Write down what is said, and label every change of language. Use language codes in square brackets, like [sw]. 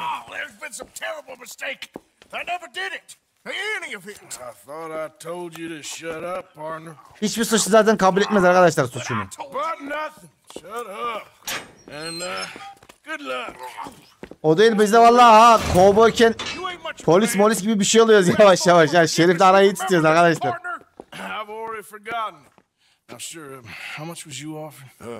[en] There's been some terrible mistake. I never did it. Any of it. I thought I told you to shut up, partner. [tr] Hiçbir suçu zaten kabul etmez arkadaşlar suçunu. [en] But nothing. Shut up. And good luck. [tr] O değil, biz de vallahi ha kovboyken polis molis gibi bir şey oluyoruz yavaş yavaş. Yani Şerif de arayı tutuyoruz arkadaşlar. [en] I've already forgotten. Now sure, how much was you offering?